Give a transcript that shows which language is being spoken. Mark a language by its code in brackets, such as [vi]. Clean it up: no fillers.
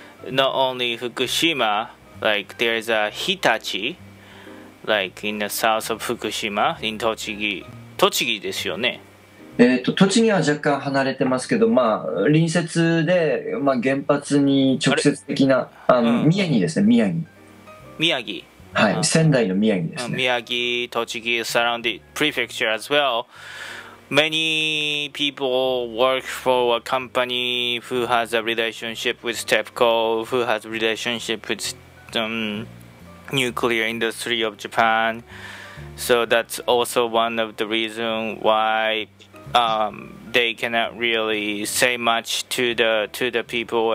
[en] not only Fukushima, like there's a Hitachi, like in the south of Fukushima, in Tochigi. [ja] Tochigi ですよね。栃木は若干離れてますけど、まあ、隣接で、まあ、原発に直接的な、あの、宮城ですね、宮城。宮城。はい、仙台の宮城ですね。 [en] 宮城、栃木、surrounding prefecture as well. Many people work for a company who has a relationship with TEPCO, who has a relationship with the nuclear industry of Japan. So that's also one of the reasons why they cannot really say much to the people.